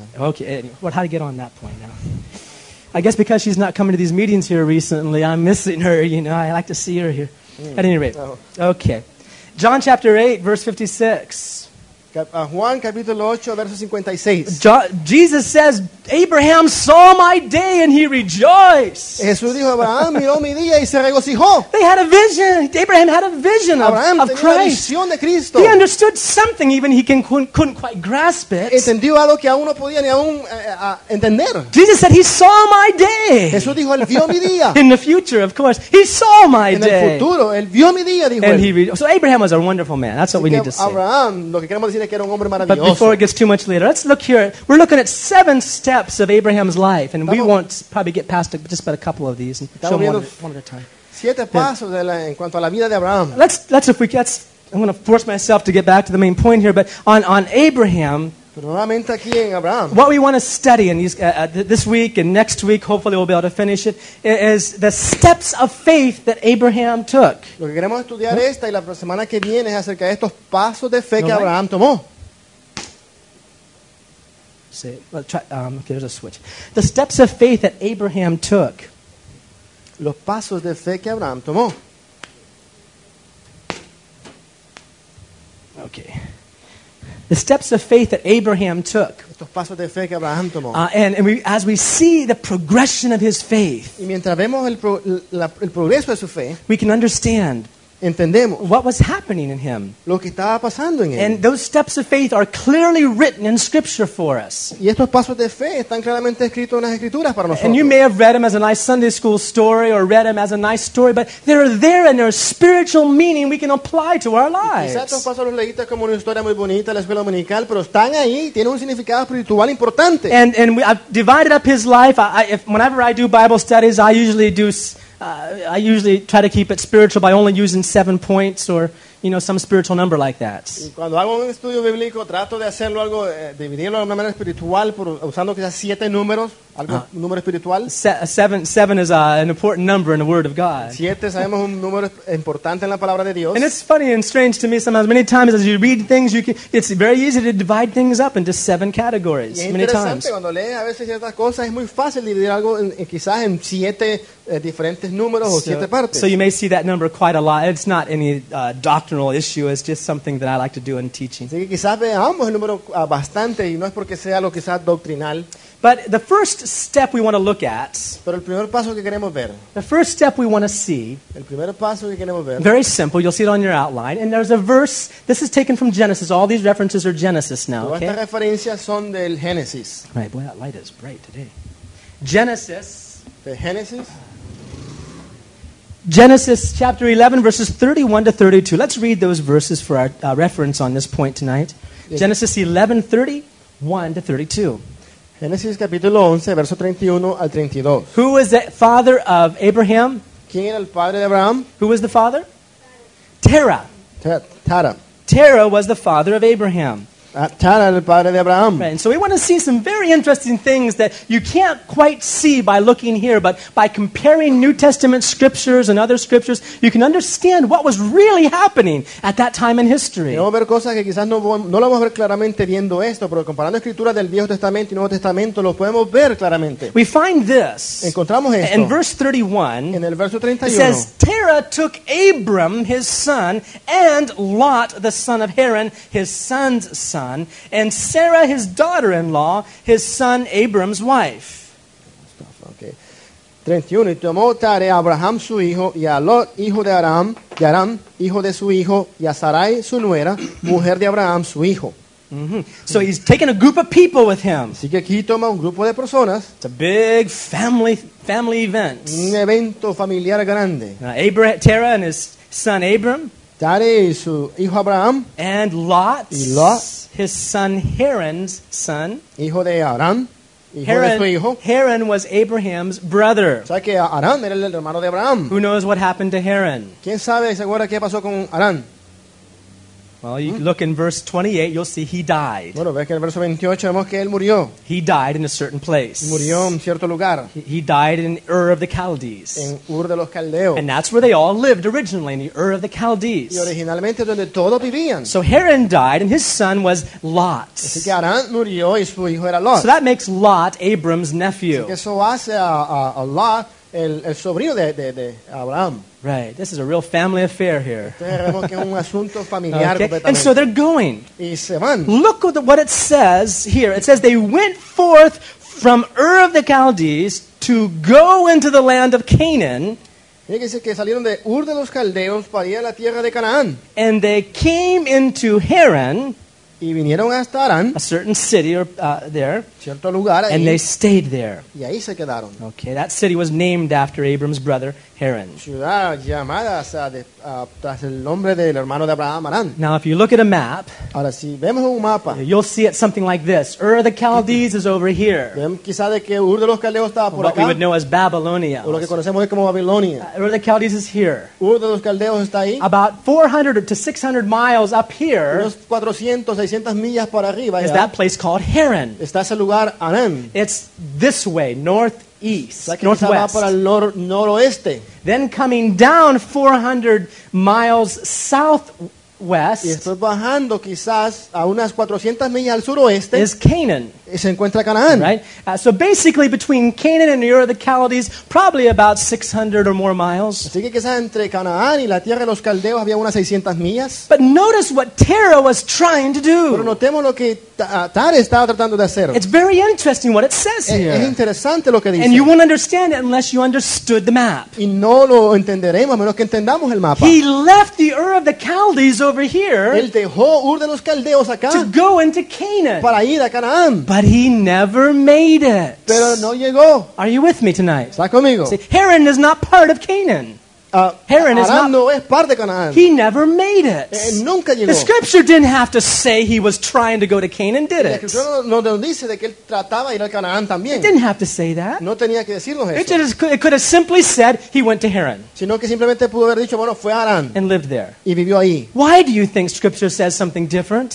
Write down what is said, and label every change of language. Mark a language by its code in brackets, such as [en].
[en] Okay, well, how to get on that point now? I guess because she's not coming to these meetings here recently, I'm missing her. You know, I like to see her here. At any rate, okay. John chapter 8, verse 56. [es] Juan capítulo 8, verso 56. [en] Jesus says, Abraham saw my day and he rejoiced. [es] Jesús dijo, Abraham miró mi día y se regocijó. [en] They had a vision. Abraham had a vision of Christ. [es] Tenía visión de Cristo. [en] He understood something, even he couldn't quite grasp it. [es] Entendió algo que aún no podía ni aún entender. [en] Jesus said, he saw my day. [es] Jesús dijo, él vio mi día. [en] In the future, of course. He saw my day. [es] En el futuro, él vio mi día, dijo [en] and [es] él. [en] So Abraham was a wonderful man. That's what we need to say. [es] Abraham, lo que queremos decir es que era un hombre maravilloso. [en] But before it gets too much later, let's look here. We're looking at seven steps of Abraham's life, and [es] estamos, [en] we won't probably get past just about a couple of these and show them one at a time. [es] Siete pasos de la, en cuanto a la vida de Abraham. [en] Let's I'm going to force myself to get back to the main point here, but on Abraham, [es] pero nuevamente aquí en Abraham, [en] what we want to study in these, this week and next week, hopefully we'll be able to finish it, is the steps of faith that Abraham took. [es] Lo que queremos estudiar esta y la semana que viene es acerca de estos pasos de fe que Abraham tomó. [en] See, well, try, okay, there's a switch. The steps of faith that Abraham took. [es] Los pasos de fe que Abraham tomó. [en] Okay. The steps of faith that Abraham took. [es] Estos pasos de fe que Abraham tomó. [en] And we, as we see the progression of his faith. [es] Y mientras vemos el progreso de su fe. [en] We can understand. [es] Entendemos [en] what was happening in him. [es] Lo que estaba pasando en él. [en] And those steps of faith are clearly written in Scripture for us. [es] Y estos pasos de fe están claramente escritos en las Escrituras para nosotros. [en] And you may have read them as a nice Sunday school story or read them as a nice story, but they're there and they're a spiritual meaning we can apply to our lives. [es] Quizás estos pasos los leíste como una historia muy bonita en la escuela dominical, pero están ahí, tienen un significado espiritual importante. [en] And we, I've divided up his life. Whenever I do Bible studies, I usually do... I usually try to keep it spiritual by only using 7 points or, you know, some spiritual number like that. [es] Cuando hago un estudio bíblico, trato de hacerlo algo, dividirlo de una manera espiritual por usando quizás 7 números, algo número espiritual. [en] Seven is an important number in the Word of God. [es] Siete sabemos un número importante en la palabra de Dios. [en] And it's funny and strange to me sometimes. Many times as you read things, it's very easy to divide things up into 7 categories. [es] Y es [en] many times. [es] Cuando lees a veces ciertas cosas, es muy fácil dividir algo quizás en 7 diferentes números o 7 partes. [en] So you may see that number quite a lot. It's not any doctrinal issue. It's just something that I like to do in teaching. [es] Así que quizás veamos el número bastante y no es porque sea lo quizás doctrinal. [en] But the first step we want to look at, [es] pero el primer paso que queremos ver, [en] the first step we want to see, [es] el primer paso que queremos ver, [en] very simple, you'll see it on your outline, and there's a verse, this is taken from Genesis, all these references are Genesis now, okay? [es] Todas estas referencias son del Génesis. [en] Right, boy, that light is bright today. Genesis. The Genesis. Genesis chapter 11, verses 31 to 32. Let's read those verses for our reference on this point tonight. Genesis 11, 31 to 32. [es] Génesis capítulo 11, verso 31 al 32. [en] Who was the father of Abraham? [es] ¿Quién era el padre de Abraham? [en] Who was the father? Terah. Terah. Terah was the father of Abraham. [es] atar al padre de Abraham. [en] Right, and so we want to see some very interesting things that you can't quite see by looking here, but by comparing New Testament scriptures and other scriptures, you can understand what was really happening at that time in history. [es] Vamos a ver cosas que quizás no lo vamos a ver claramente viendo esto, pero comparando escrituras del Viejo Testamento y Nuevo Testamento lo podemos ver claramente. [en] We find this. [es] Encontramos esto. [en] In verse 31. [es] En el verso 31. [en] It says, Terah took Abram, his son, and Lot, the son of Haran, his son's son, and Sarah, his daughter-in-law, his son Abram's wife. Okay. [es] 31. Y tomó Tare a Abraham su hijo, y a Lot, hijo de Aram, y Aram, hijo de su hijo, y a Sarai su nuera, mujer de Abraham su hijo. Mm-hmm. [en] So he's taking a group of people with him. [es] Así que aquí toma un grupo de personas. [en] It's a big family event. [es] Un evento familiar grande. [en] Terah and his son Abram. [es] Tare y su hijo Abraham. [en] And Lot. [es] Y Lot. [en] His son Haran's son. [es] Hijo de Aram. [en] Haran was Abraham's brother. [es] O sea que Aram era el hermano de Abraham. [en] Who knows what happened to Haran? [es] ¿Quién sabe, se acuerda qué pasó con Aram? [en] Well, you look in verse 28, you'll see he died. [es] Bueno, ves que en el verso 28 vemos que él murió. [en] He died in a certain place. [es] Murió en cierto lugar. [en] He died in Ur of the Chaldees. [es] En Ur de los Caldeos. [en] And that's where they all lived originally, in the Ur of the Chaldees. [es] Y originalmente donde todos vivían. [en] So Haran died and his son was Lot. [es] Así que Aram murió y su hijo era Lot. [en] So that makes Lot Abram's nephew. [es] Así que eso hace a Lot el sobrino de Abraham. [en] Right, this is a real family affair here. Okay. And so they're going. [es] Y se van. [en] Look at what it says here. It says they went forth from Ur of the Chaldees to go into the land of Canaan. [es] Que salieron de Ur de los Caldeos para ir a la tierra de Canaán. [en] And they came into Haran. [es] Y vinieron hasta Aram, [en] a certain city there. [es] Cierto lugar ahí, [en] and they stayed there. [es] Y ahí se quedaron. [en] Okay, that city was named after Abram's brother, Haran. [es] Ciudad llamada, o sea, tras el nombre del hermano de Abraham, Aram. [en] Now, if you look at a map, [es] ahora, si vemos un mapa, [en] you'll see it something like this. Ur of the Chaldees is over here. [es] Quizá de que Ur de los Caldeos estaba por [en] what [es] acá. [en] We would know as Babylonia. [es] O lo que conocemos es como Babilonia. [en] Ur of the Chaldees is here. [es] Ur de los Caldeos está ahí. [en] About 400 to 600 miles up here. [es] Unos 400, 600 millas para arriba, [en] is that place called Haran. [es] Está ese lugar, Aram. [en] It's this way, north. East, northwest. [es] Para el noroeste. [en] Then coming down 400 miles southwest. [es] Y estoy bajando quizás a unas 400 millas al suroeste. [en] Is Canaan. [es] Y se encuentra Canaán. [en] Right. So basically, between Canaan and Ur of the Chaldees, probably about 600 or more miles. [es] Así que quizás entre Canaán y la tierra de los caldeos había unas 600 millas. [en] But notice what Terah was trying to do. [es] Pero notemos lo que Tare estaba tratando de hacer. [en] It's very interesting what it says here. [es] Es interesante lo que dice. [en] And you won't understand it unless you understood the map. [es] Y no lo entenderemos a menos que entendamos el mapa. [en] He left the Ur of the Chaldees over here. [es] Él dejó Ur de los caldeos acá. [en] To go into Canaan. [es] Para ir a Canaán. [en] But he never made it. [es] Pero no llegó. [en] Are you with me tonight? [es] ¿Está conmigo? [en] See, Haran is not part of Canaan. Haran is not, [es] no es parte de Canaan. [en] He never made it. [es] Nunca llegó. [en] The scripture didn't have to say he was trying to go to Canaan, did it? It didn't have to say that. [es] No tenía que decirlo eso. [en] It could have simply said he went to Haran. [es] Sino que simplemente pudo haber dicho, bueno, fue a Aram. [en] And lived there. [es] Y vivió ahí. [en] Why do you think scripture says something different?